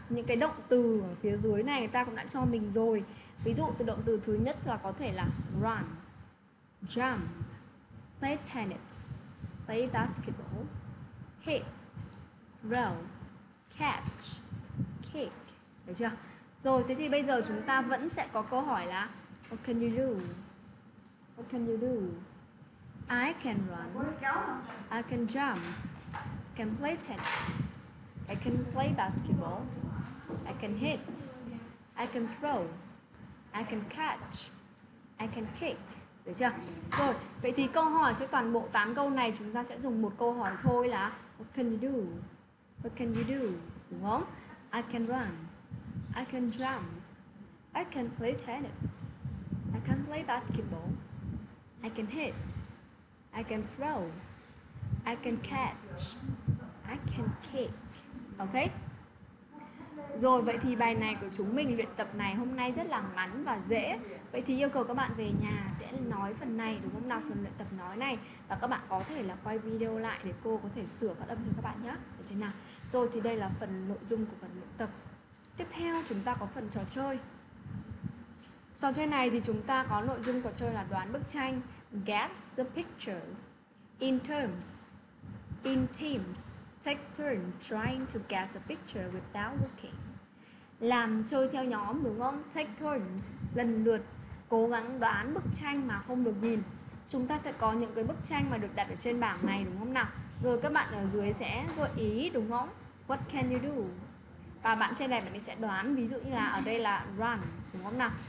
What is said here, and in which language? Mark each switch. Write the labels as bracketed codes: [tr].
[vi] Những cái động từ ở phía dưới này người ta cũng đã cho mình rồi. Ví dụ từ động từ thứ nhất là có thể là [en] run, jump, play tennis, play basketball, hit, throw, catch, kick. [vi] Được chưa? Rồi, thế thì bây giờ chúng ta vẫn sẽ có câu hỏi là [en] what can you do? What can you do? I can run, I can jump, I can play tennis, I can play basketball, I can hit, I can throw, I can catch, I can kick. [vi] Được chưa? Rồi, vậy thì câu hỏi cho toàn bộ 8 câu này chúng ta sẽ dùng một câu hỏi thôi là [en] what can you do? What can you do? [vi] Đúng không? [en] I can run, I can jump, I can play tennis, I can play basketball, I can hit, I can throw, I can catch, I can kick. Ok? [vi] Rồi, vậy thì bài này của chúng mình luyện tập này hôm nay rất là ngắn và dễ. Vậy thì yêu cầu các bạn về nhà sẽ nói phần này, đúng không nào? Phần luyện tập nói này. Và các bạn có thể là quay video lại để cô có thể sửa phát âm cho các bạn nhé. Được chưa nào? Rồi, thì đây là phần nội dung của phần luyện tập. Tiếp theo chúng ta có phần trò chơi. Trò chơi này thì chúng ta có nội dung trò chơi là đoán bức tranh. [en] Guess the picture. In terms. In teams. Take turn trying to guess a picture without looking. [vi] Làm chơi theo nhóm, đúng không? [en] Take turns, [vi] lần lượt, cố gắng đoán bức tranh mà không được nhìn. Chúng ta sẽ có những cái bức tranh mà được đặt ở trên bảng này, đúng không nào? Rồi các bạn ở dưới sẽ gợi ý, đúng không? [en] What can you do? [vi] Và bạn trên này bạn ấy sẽ đoán, ví dụ như là ở đây là run, đúng không nào?